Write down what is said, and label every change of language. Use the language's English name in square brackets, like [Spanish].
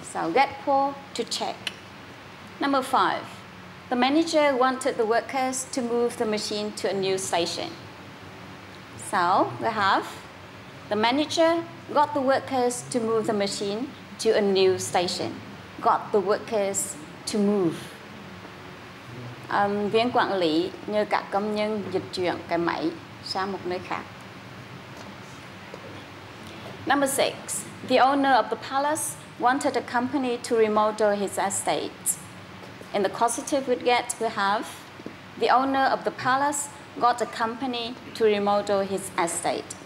[English] So get Paul to check. Number five, the manager wanted the workers to move the machine to a new station. So we have, the manager got the workers to move the machine to a new station, got the workers to move. [Vietnamese] Viên quản lý nhờ các công nhân dịch chuyển cái máy sang một nơi khác. [English] Number six, the owner of the palace wanted a company to remodel his estate. In the causative we get, we have, the owner of the palace got a company to remodel his estate.